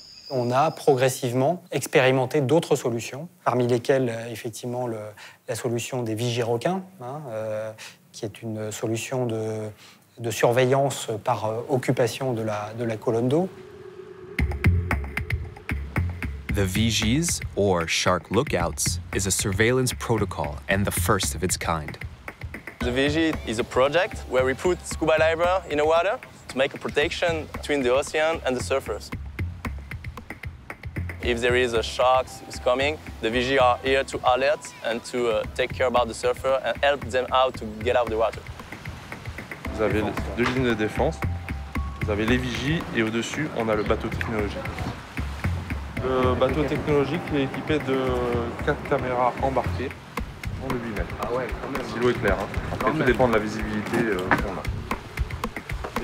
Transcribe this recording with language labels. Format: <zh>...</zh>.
<fr>On a progressivement expérimenté d'autres solutions, parmi lesquelles, effectivement, la solution des vigies requins, qui est une solution de surveillance par occupation de la colonne d'eau.</fr> <en>The Vigies, or Shark Lookouts, is a surveillance protocol and the first of its kind. The Vigie is a project where we put scuba divers in the water to make a protection between the ocean and the surfers. If there is a shark who's coming, the Vigie are here to alert and to take care about the surfer and help them out to get out of the water.</en> <fr>Vous avez deux lignes de défense. Vous avez les Vigies et au-dessus, on a le bateau technologique. Le bateau technologique est équipé de 4 caméras embarquées. De 8 mètres. Ah ouais, si l'eau est claire. Hein. Après, quand tout dépend de la visibilité qu'on a.</fr>